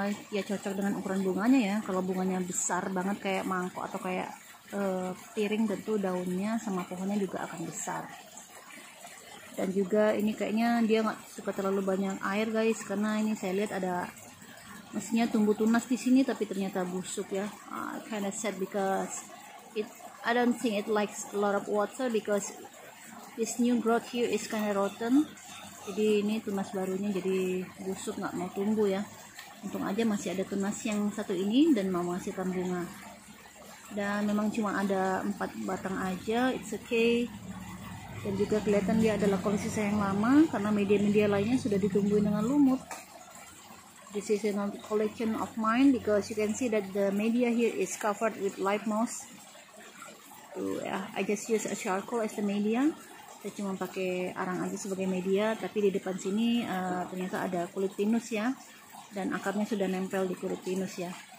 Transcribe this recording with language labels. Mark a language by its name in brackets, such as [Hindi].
[Indonesian] Ya cocok dengan ukuran bunganya ya. Kalau bunganya besar banget kayak mangkok atau kayak piring, tentu daunnya sama pohonnya juga akan besar. Dan juga ini kayaknya dia nggak suka terlalu banyak air guys, karena ini saya lihat ada mestinya tumbuh tunas di sini tapi ternyata busuk ya. [English] Kind of sad because I don't think it likes a lot of water because this new growth here is kind of rotten. [Indonesian] Jadi ini tunas barunya jadi busuk, nggak mau tumbuh ya. Untung aja masih ada tunas yang satu ini dan mau menghasilkan bunga. Dan memang cuma ada 4 batang aja, [English] it's okay. [Indonesian] Dan juga kelihatan dia adalah koleksi saya yang lama karena media-media lainnya sudah ditumbuhin dengan lumut. [English] This is a collection of mine because you can see that the media here is covered with live moss. I just use a charcoal as the media. [Indonesian] Saya cuma pakai arang aja sebagai media, tapi di depan sini ternyata ada kulit pinus ya, dan akarnya sudah nempel di kulit pinus ya.